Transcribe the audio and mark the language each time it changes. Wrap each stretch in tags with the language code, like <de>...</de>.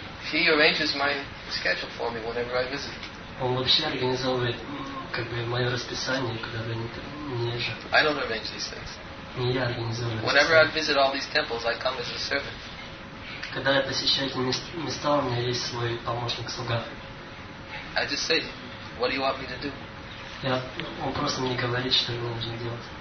<en>He arranges my schedule for me whenever I visit.</en> <ru>Он вообще организовывает как бы мое расписание, когда бы не же.</ru> <en>I don't arrange these things.</en> <ru>Не я организовываю.</ru> <en>Whenever I visit all these temples, I come as a servant.</en> <ru>Когда я посещаю эти места, у меня есть свой помощник слуга.</ru> <en>I just say, what do you want me to do?</en> <ru>Я, он просто мне говорит, что ему нужно делать.</ru>